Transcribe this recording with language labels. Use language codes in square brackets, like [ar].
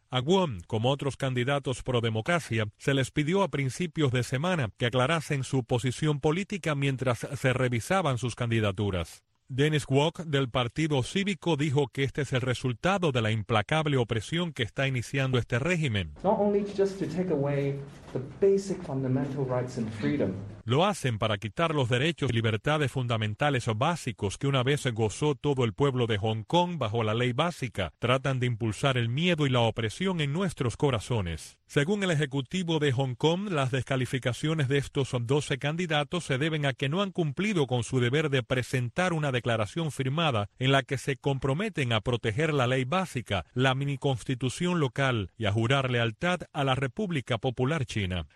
[es] A Guam, como otros candidatos pro democracia, se les pidió a principios de semana que aclarasen su posición política mientras se revisaban sus candidaturas. Dennis Walk, del Partido Cívico, dijo que este es el resultado de la implacable opresión que está iniciando este régimen. [en] Not only just to take away the basic fundamental rights and freedom. [es] Lo hacen para quitar los derechos y libertades fundamentales o básicos que una vez gozó todo el pueblo de Hong Kong bajo la ley básica. Tratan de impulsar el miedo y la opresión en nuestros corazones. Según el Ejecutivo de Hong Kong, las descalificaciones de estos 12 candidatos se deben a que no han cumplido con su deber de presentar una declaración firmada en la que se comprometen a proteger la ley básica, la mini constitución local y a jurar lealtad a la República Popular China.